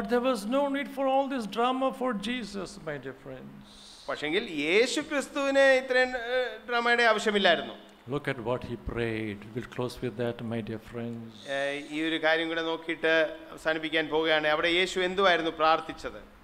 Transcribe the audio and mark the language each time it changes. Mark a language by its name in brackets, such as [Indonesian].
[English] But there was no need for all this drama for Jesus, my dear friends. [Malayalam] പക്ഷേങ്കിൽ യേശുക്രിസ്തുവിന് ഇത്രയും ഡ്രാമയുടെ ആവശ്യമില്ലായിരുന്നു. [English] Look at what he prayed. We'll close with that, my dear friends. [Malayalam] ഈ ഒരു കാര്യം കൂടി നോക്കിയിട്ട് അവസാനിപ്പിക്കാൻ പോവുകയാണ് അവിടെ യേശു എന്തുവായിരുന്നു പ്രാർത്ഥിച്ചത്